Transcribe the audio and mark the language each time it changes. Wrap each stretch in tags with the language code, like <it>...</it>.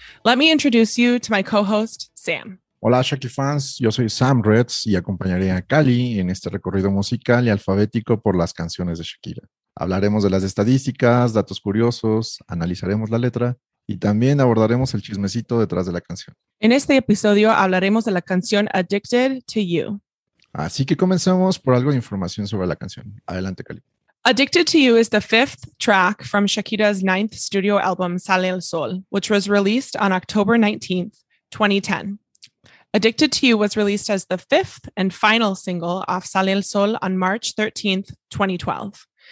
<en>Let me introduce you to my co-host, Sam.</en> <es>Hola, Shaki fans. Yo soy Sam Ritz y acompañaré a Callie en este recorrido musical y alfabético por las canciones de Shakira. Hablaremos de las estadísticas, datos curiosos, analizaremos la letra y también abordaremos el chismecito detrás de la canción. En este episodio hablaremos de la canción Addicted to You. Así que comencemos por algo de información sobre la canción. Adelante, Cali.</es> <en>Addicted to You is the fifth track from Shakira's ninth studio album, Sale el Sol, which was released on October 19th, 2010. Addicted to You was released as the fifth and final single off Sale el Sol on March 13th, 2012.</en>